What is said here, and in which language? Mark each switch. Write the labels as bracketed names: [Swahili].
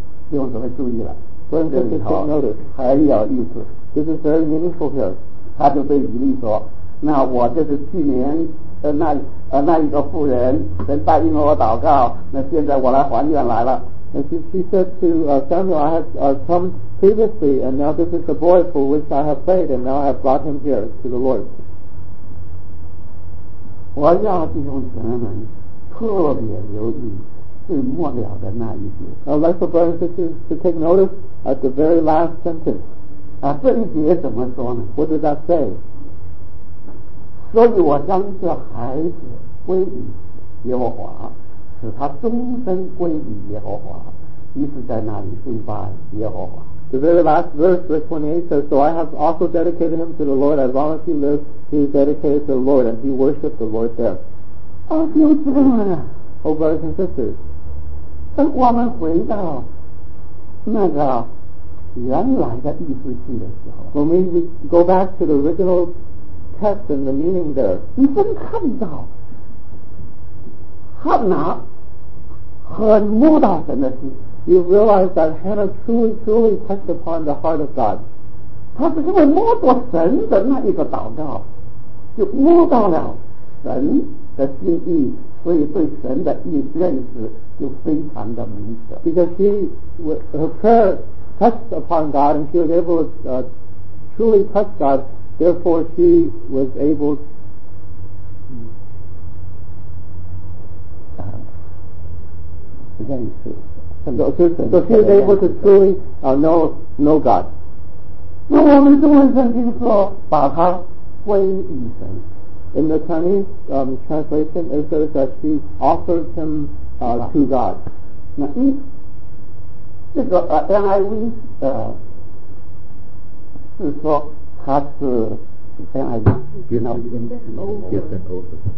[Chinese] 弟兄姊妹注意了，这里头还有意思。 [English] This is very meaningful here. [Chinese] 他就对以利说：“那我就是去年那一个妇人，神答应了我祷告，那现在我来还愿来了。” [English] And she said to Samuel, "I have come previously, and now this is the boy for which I have prayed, and now I have brought him here to the Lord." [Chinese] 我要弟兄姊妹们。特别留意最末了的那一节。 [English] Like for brothers and sisters to take notice at the very last sentence. [Chinese] 这一节怎么说呢？ [English] What does that say? [Chinese] 所以我将这孩子归于耶和华，使他终身归于耶和华，一直在那里敬拜耶和华。 [English] The very last verse, verse 28 says, So I have also dedicated him to the Lord. As long as he lives, he is dedicated to the Lord, and he worshiped the Lord there. [Chinese] 啊，弟兄姊妹们啊 [English] ，Oh brothers and sisters， [Chinese] 当我们回到那个原来的意思性的时候 [English] ，When we go back to the original text and the meaning there， [Chinese] 你真看到，哈拿很摸到神的心 [English] ，You realize that Hannah truly, truly touched upon the heart of God， [Chinese] 她是因为摸到神的那一个祷告，就摸到了神。的心意，所以对神的意认识就非常的明确。 [English] Because she, her prayer touched upon God, and she was able to truly touch God. Therefore, she was able. [Chinese] 认识， [English] so she was able to truly know God. [Chinese] 那我们中文圣经说，把它归于神。 [English] In the Chinese translation, it says that she offers him to God. Now, this NIV is